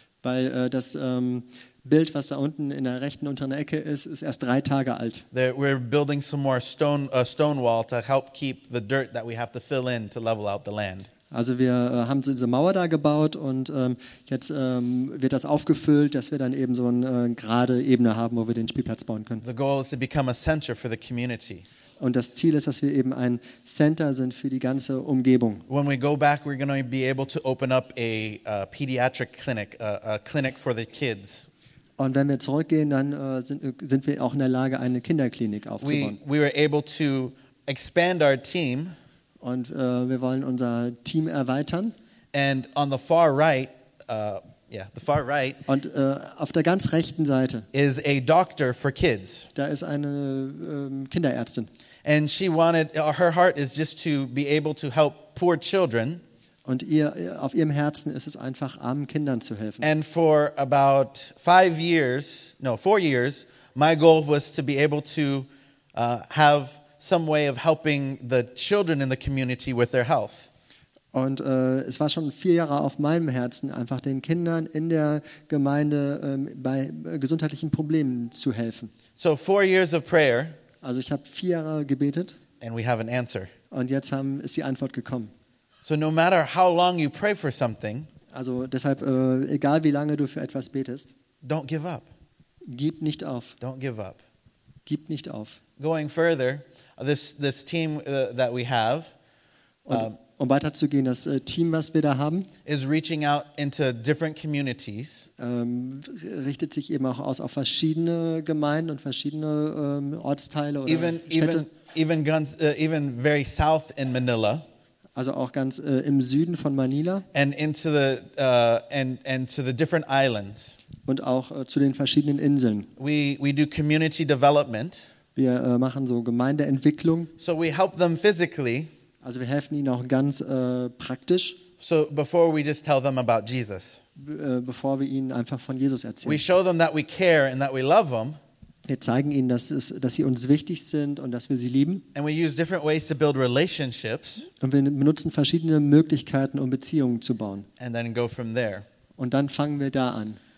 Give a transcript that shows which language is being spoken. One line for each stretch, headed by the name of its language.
German: Weil das Bild, was da unten in der rechten unteren Ecke ist, ist erst 3 Tage alt.
English: We're building some more stone wall to help keep the dirt that we have to fill in to level out the land.
German: Also wir haben so diese Mauer da gebaut und jetzt wird das aufgefüllt, dass wir dann eben so eine gerade Ebene haben, wo wir den Spielplatz bauen können.
English: The goal is to become a center for the community.
German: Und das Ziel ist, dass wir eben ein Center sind für die ganze Umgebung.
English: When we go back, we're going to be able to open up a pediatric clinic, a clinic for the kids.
German: Und wenn wir zurückgehen, dann sind wir auch in der Lage, eine Kinderklinik aufzubauen.
English: We were able to expand our team.
German: Und wir wollen unser Team erweitern.
English: And on the far right, the far right.
German: Und auf der ganz rechten Seite
English: is a doctor for kids.
German: Da ist eine Kinderärztin.
English: And she wanted, her heart is just to be able to help poor children.
German: Und ihr, auf ihrem Herzen ist es einfach, armen Kindern zu helfen.
English: And for about 4 years, my goal was to be able to have some way of helping the children in the community with their health.
German: Und es war schon 4 Jahre auf meinem Herzen, einfach den Kindern in der Gemeinde bei gesundheitlichen Problemen zu helfen.
English: So 4 years of prayer.
German: Also ich habe 4 Jahre gebetet.
English: And we have an answer.
German: Und jetzt ist die Antwort gekommen.
English: So no matter how long you pray for something,
German: also deshalb egal wie lange du für etwas betest,
English: don't give up.
German: Gib nicht auf.
English: Don't give up.
German: Gib nicht auf.
English: Going further, this team that we have,
German: um weiterzugehen, das Team, was wir da haben,
English: is reaching out into different communities.
German: Richtet sich eben auch aus auf verschiedene Gemeinden und verschiedene Ortsteile oder Städte.
English: Even very south in Manila.
German: Also auch ganz im Süden von Manila
English: and to the different islands
German: und auch zu den verschiedenen Inseln.
English: We do community development.
German: Wir machen so Gemeindeentwicklung.
English: So we help them physically.
German: Also wir helfen ihnen auch ganz praktisch.
English: So before we just tell them about Jesus.
German: Bevor wir ihnen einfach von Jesus erzählen.
English: We show them that we care and that we love them.
German: Wir zeigen ihnen, dass sie uns wichtig sind und dass wir sie lieben.
English: And we use different ways to build relationships.
German: Und wir benutzen verschiedene Möglichkeiten, um Beziehungen zu bauen.
English: And then go from there.
German: Und dann fangen wir da an.